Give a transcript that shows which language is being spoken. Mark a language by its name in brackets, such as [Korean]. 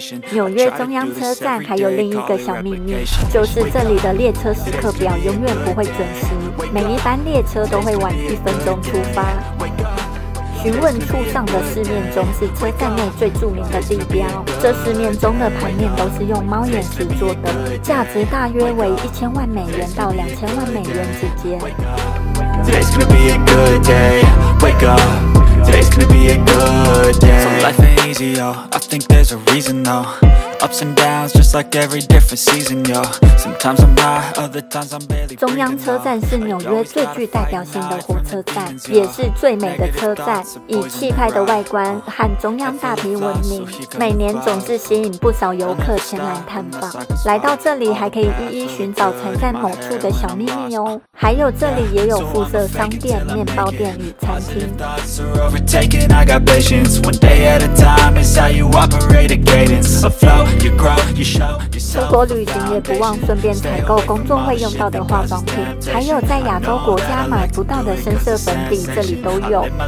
[Chinese] 纽约中央车站还有另一个小秘密，就是这里的列车时刻表永远不会准时，每一班列车都会晚1分钟出发。询问处上的四面钟是车站内最著名的地标，这四面钟的盘面都是用猫眼石做的，价值大约为1000万美元到2000万美元之间。 [English] Today's gonna be a good day. So life ain't easy, yo. I think there's a reason, though. Ups and downs, just like every different season, yo. Sometimes I'm high, other times I'm barely. [Chinese] 中央车站是纽约最具代表性的火车站，也是最美的车站，以气派的外观和中央大厅闻名，每年总是吸引不少游客前来探访。来到这里，还可以一一寻找藏在某处的小秘密哦。还有这里也有附设商店、面包店与餐厅。 [English] Overtaken, I got patience. One day at a time, it's how you operate a cadence. A flow, you grow, you show. [Chinese] 出国旅行也不忘顺便采购工作会用到的化妆品，还有在亚洲国家买不到的深色粉底，这里都有。